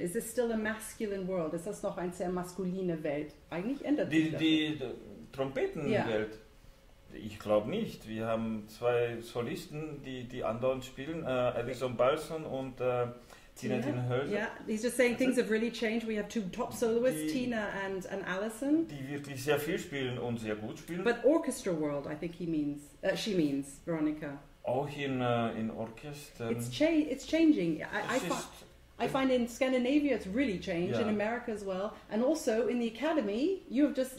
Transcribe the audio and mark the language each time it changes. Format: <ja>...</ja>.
<en>Is this still a masculine world?</en> <de>Ist das noch eine sehr maskuline Welt? Eigentlich ändert sich das. Die Trompetenwelt? Yeah. Ich glaube nicht. Wir haben zwei Solisten, die anderen spielen. Alison Balson und...</de> <en>Yeah, he's just saying things have really changed. We have two top soloists, Tina and Alison.</en> <de>Die wirklich sehr viel spielen und sehr gut spielen.</de> <en>But orchestra world, I think she means, Veronica.</en> <de>Auch in Orchester.</de> <en>It's changing. I find in Scandinavia it's really changed, in America as well. And also in the academy, you have just...</en>